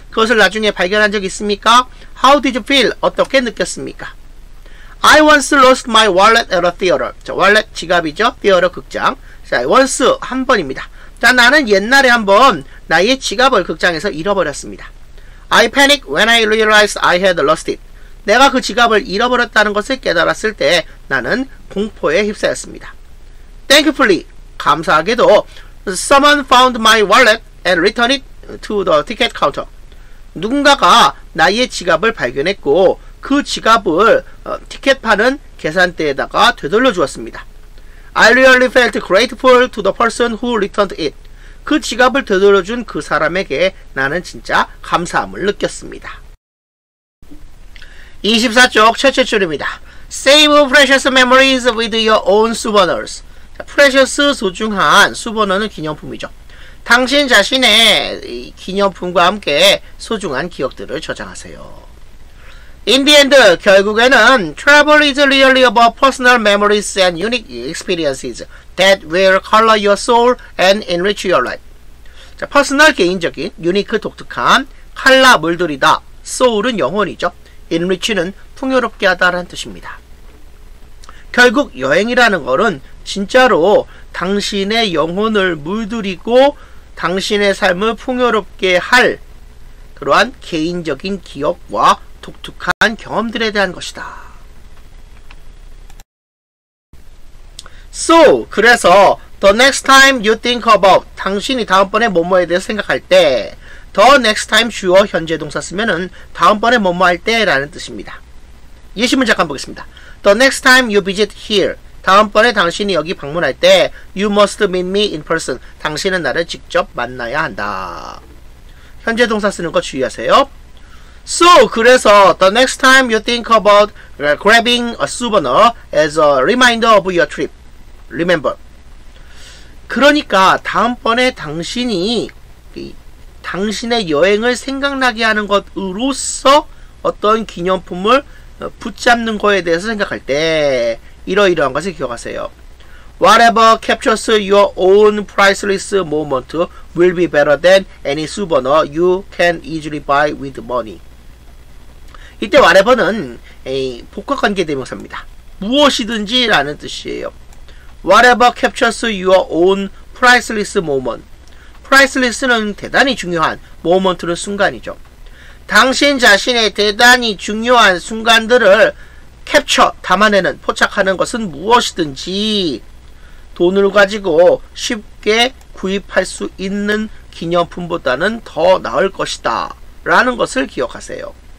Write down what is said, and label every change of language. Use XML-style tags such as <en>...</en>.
<ko>그것을 나중에 발견한 적 있습니까?</ko> <en>How did you feel?</en> <ko>어떻게 느꼈습니까?</ko> <en>I once lost my wallet at a theater.</en> <ko>자, wallet, 지갑이죠. Theater, 극장. 자, once, 한 번입니다. 자, 나는 옛날에 한번 나의 지갑을 극장에서 잃어버렸습니다.</ko> <en>I panicked when I realized I had lost it.</en> <ko>내가 그 지갑을 잃어버렸다는 것을 깨달았을 때 나는 공포에 휩싸였습니다.</ko> <en>Thankfully,</en> <ko>감사하게도</ko> <en>someone found my wallet and returned it to the ticket counter.</en> <ko>누군가가 나의 지갑을 발견했고 그 지갑을 티켓 파는 계산대에다가 되돌려 주었습니다.</ko> <en>I really felt grateful to the person who returned it.</en> <ko>그 지갑을 되돌려 준 그 사람에게 나는 진짜 감사함을 느꼈습니다. 24쪽 첫째 줄입니다.</ko> <en>Save precious memories with your own souvenirs.</en> <ko>자, precious, 소중한, souvenir는 기념품이죠. 당신 자신의 기념품과 함께 소중한 기억들을 저장하세요.</ko> <en>In the end,</en> <ko>결국에는</ko> <en>travel is really about personal memories and unique experiences that will color your soul and enrich your life.</en> <ko>자, personal, 개인적인, unique, 독특한, color, 물들이다, soul은 영혼이죠. enrich는 풍요롭게 하다라는 뜻입니다. 결국 여행이라는 것은 진짜로 당신의 영혼을 물들이고 당신의 삶을 풍요롭게 할 그러한 개인적인 기억과 독특한 경험들에 대한 것이다. So, 그래서</ko> <en>the next time you think about</en> <ko>당신이 다음번에 뭐뭐에 대해서 생각할 때</ko> <en>the next time</en> <ko>주어 현재 동사 쓰면은 다음번에 뭐뭐 할 때라는 뜻입니다. 예시문 잠깐 보겠습니다.</ko> <en>The next time you visit here</en> <ko>다음번에 당신이 여기 방문할 때</ko> <en>you must meet me in person</en> <ko>당신은 나를 직접 만나야 한다. 현재 동사 쓰는 거 주의하세요.</ko> <en>So,</en> <ko>그래서</ko> <en>the next time you think about grabbing a souvenir as a reminder of your trip. Remember.</en> <ko>그러니까 다음번에 당신이 당신의 여행을 생각나게 하는 것으로서 어떤 기념품을 붙잡는 거에 대해서 생각할 때 이러이러한 것을 기억하세요.</ko> <en>Whatever captures your own priceless moment will be better than any souvenir you can easily buy with money.</en> <ko>이때 whatever는 복합 관계 대명사입니다. 무엇이든지 라는 뜻이에요.</ko> <en>Whatever captures your own priceless moment.</en> <ko>Priceless는 대단히 중요한, moment는 순간이죠. 당신 자신의 대단히 중요한 순간들을 캡처, 담아내는, 포착하는 것은 무엇이든지 돈을 가지고 쉽게 구입할 수 있는 기념품보다는 더 나을 것이다 라는 것을 기억하세요.</ko>